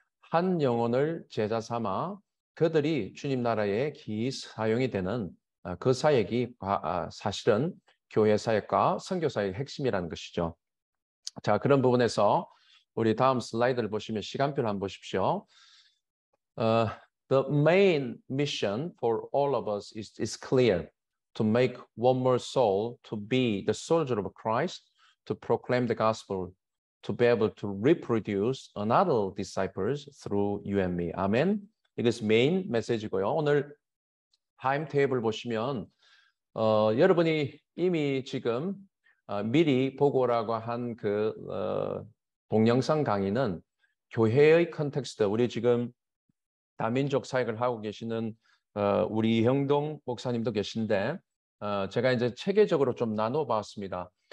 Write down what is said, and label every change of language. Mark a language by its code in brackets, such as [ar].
[ko] 한 영혼을 제자 삼아 그들이 주님 나라에 기이 사용이 되는 그 사역이 사실은 교회 사역과 선교 사역의 핵심이라는 것이죠. 자, 그런 부분에서 우리 다음 슬라이드를 보시면 시간표를 한번 보십시오. [en] The main mission for all of us is clear. To make one more soul, to be the soldier of Christ, to proclaim the gospel, to be able to reproduce another disciples through you and me. Amen. [ko] 이것이 메인 메시지고요. 오늘 타임 테이블 보시면 여러분이 이미 지금 미리 보고라고 한 그 동영상 강의는 교회의 컨텍스트, 우리 지금 다민족 사역을 하고 계시는 우리 형동 목사님도 계신데 제가 이제 체계적으로 좀 나눠봤습니다.